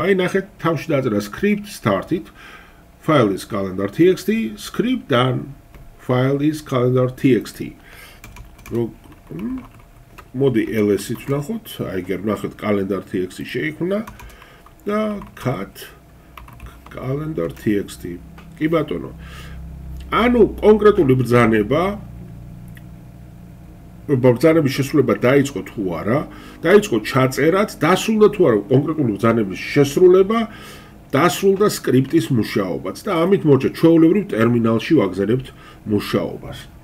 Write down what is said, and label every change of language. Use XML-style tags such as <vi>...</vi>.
<ka>აი ნახეთ, თავში დაწერა</ka> <en>script started file is calendar txt, script დან file is calendar txt.</en> <ka>მოდი ls-ით ნახოთ. აი ერთ ნახეთ calendar txt შეიქმნა. და cat calendar txt. კი ბატონო. ანუ კონკრეტული ბრძანების შესრულება დაიწყო თუ არა, დაიწყო ჩაწერათ, დასრულდა თუ არა კონკრეტული ბრძანების შესრულება, დასრულდა სკრიპტის მუშაობაც და ამით მოჭა ჩვეულებრივ ტერმინალში ვაგზავნებთ მუშაობას.</ka>